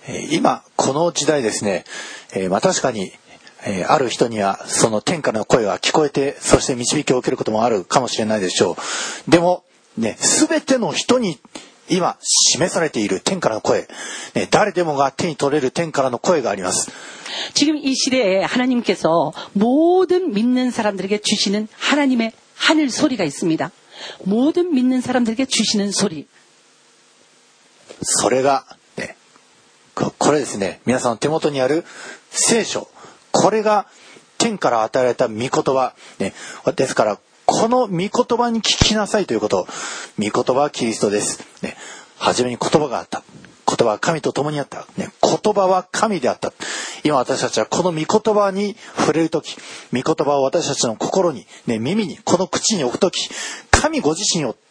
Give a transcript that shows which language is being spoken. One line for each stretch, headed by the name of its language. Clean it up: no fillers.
Japanese: 今この時代ですね、まあ、確かに、ある人にはその天からの声が聞こえてそして導きを受けることもあるかもしれないでしょうでも、ね、全ての人に今示されている天からの声、ね、誰でもが手に取れる天からの声があります
Korean: 지금이시대에하나님께서모든믿는사람들에게주시는하나님의하늘소리가있습니다모든믿는사람들에게주시는소리
Japanese: それがこれですね皆さんの手元にある聖書これが天から与えられた御言葉、ね、ですからこの御言葉に聞きなさいということ御言葉はキリストです、ね、初めに言葉があった言葉は神と共にあった、ね、言葉は神であった今私たちはこの御言葉に触れるとき御言葉を私たちの心に、ね、耳にこの口に置くとき神ご自身を